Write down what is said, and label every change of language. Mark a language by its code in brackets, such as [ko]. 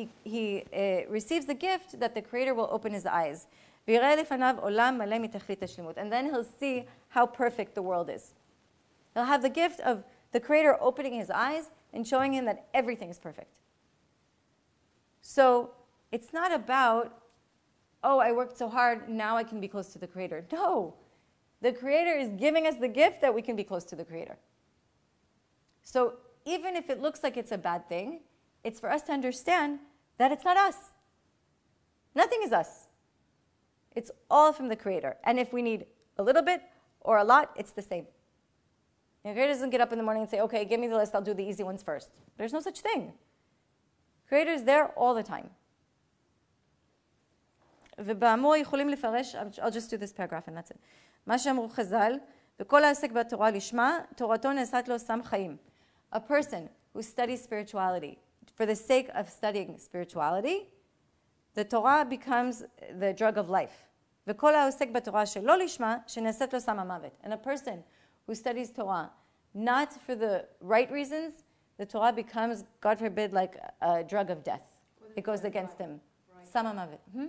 [en] He receives the gift that the creator will open his eyes. [he] ויראה לפניו עולם מלא מתכלית השלמות. [en] And then he'll see how perfect the world is. He'll have the gift of the creator opening his eyes and showing him that everything is perfect. So it's not about, oh, I worked so hard, now I can be close to the creator. No. The creator is giving us the gift that we can be close to the creator. So even if it looks like it's a bad thing, it's for us to understand that it's not us. Nothing is us. It's all from the creator. And if we need a little bit or a lot, it's the same. The creator doesn't get up in the morning and say, okay, give me the list, I'll do the easy ones first. There's no such thing. Creator is there all the time. [he] ובאמור יכולים לפרש, [en] I'll just do this paragraph and that's it. [he] מה שאמרו חז"ל, וכל העסק בתורה לשמה, תורתו נעשית לו סם חיים. [en] A person who studies spirituality, for the sake of studying spirituality, the Torah becomes the drug of life. [he] וכל העוסק בתורה שלא לשמה, שנעשית לו סם המוות. [en] And a person who studies Torah, not for the right reasons, the Torah becomes, God forbid, like a drug of death. It goes against him. Some of it.